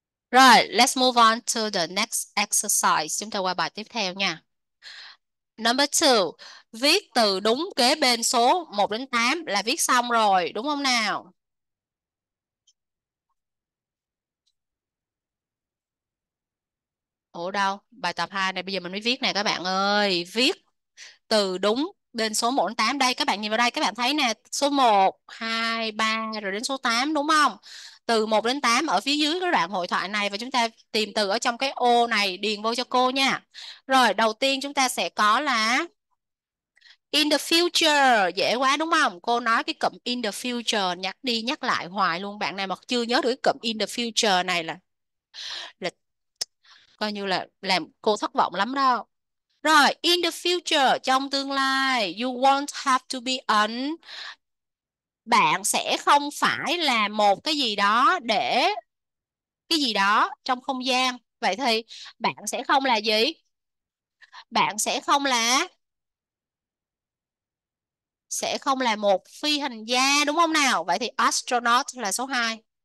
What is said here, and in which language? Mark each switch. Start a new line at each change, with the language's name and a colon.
English: Rồi, let's move on to the next exercise.
Vietnamese: Chúng ta qua bài tiếp theo nha.
English: Number 2,
Vietnamese: viết từ đúng kế bên số 1 đến 8 là viết xong rồi, đúng không nào? Ủa đâu? Bài tập 2 này bây giờ mình mới viết nè các bạn ơi. Viết từ đúng bên số 1 đến 8 đây. Các bạn nhìn vào đây các bạn thấy nè. Số 1, 2, 3 rồi đến số 8 đúng không? Từ 1 đến 8 ở phía dưới cái đoạn hội thoại này và chúng ta tìm từ ở trong cái ô này điền vô cho cô nha. Rồi đầu tiên chúng ta sẽ có là in the future. Dễ quá đúng không? Cô nói cái cụm in the future nhắc đi nhắc lại hoài luôn. Bạn nào mà chưa nhớ được cái cụm in the future này là coi như là làm cô thất vọng lắm đó.
English: Rồi, in the future,
Vietnamese: trong tương lai,
English: you won't have to be an...
Vietnamese: Bạn sẽ không phải là một cái gì đó để... Cái gì đó trong không gian. Vậy thì bạn sẽ không là gì? Bạn sẽ không là... Sẽ không là một phi hành gia, đúng không nào? Vậy thì astronaut là số 2.